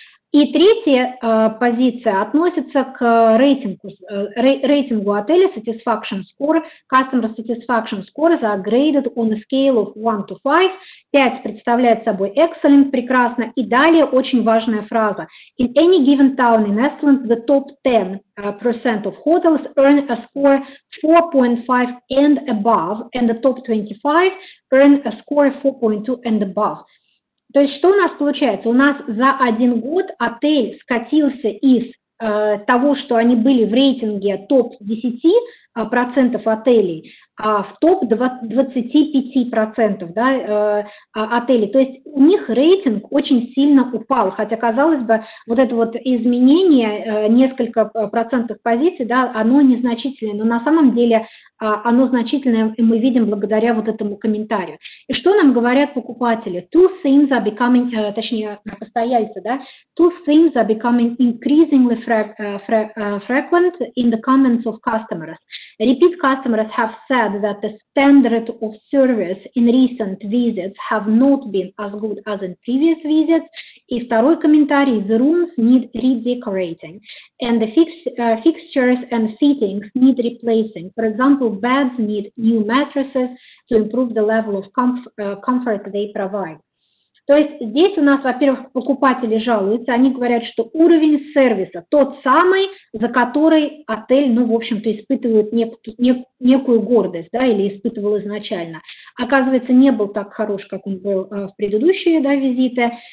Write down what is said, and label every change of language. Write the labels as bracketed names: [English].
[Russian] И третья позиция относится к рейтингу отеля [English] Satisfaction Score, Customer Satisfaction Score за graded on a scale of 1 to 5. [Russian] 5 представляет собой excellent, прекрасно. И далее очень важная фраза. [English] In any given town in Estland, the top 10% of hotels earn a score 4.5 and above, and the top 25 earn a score 4.2 and above. [Russian] То есть что у нас получается? У нас за один год отель скатился из того, что они были в рейтинге топ-10% отелей, в топ-25%, да, отелей. То есть у них рейтинг очень сильно упал, хотя, казалось бы, вот это вот изменение несколько процентных позиций, да, оно незначительное, но на самом деле оно значительное, и мы видим благодаря вот этому комментарию. И что нам говорят покупатели? [English] Two things are becoming, [Russian] точнее, постояльцы, да, [English] two things are becoming increasingly frequent in the comments of customers. Repeat customers have said that the standard of service in recent visits have not been as good as in previous visits. [Russian] И второй комментарий, [English] the rooms need redecorating, and the fixtures and fittings need replacing. For example, beds need new mattresses to improve the level of comfort they provide. [Russian] То есть здесь у нас, во-первых, покупатели жалуются, они говорят, что уровень сервиса тот самый, за который отель, ну, в общем-то, испытывает некую гордость, да, или испытывал изначально. Оказывается, не был так хорош, как он был в предыдущие, да, визиты.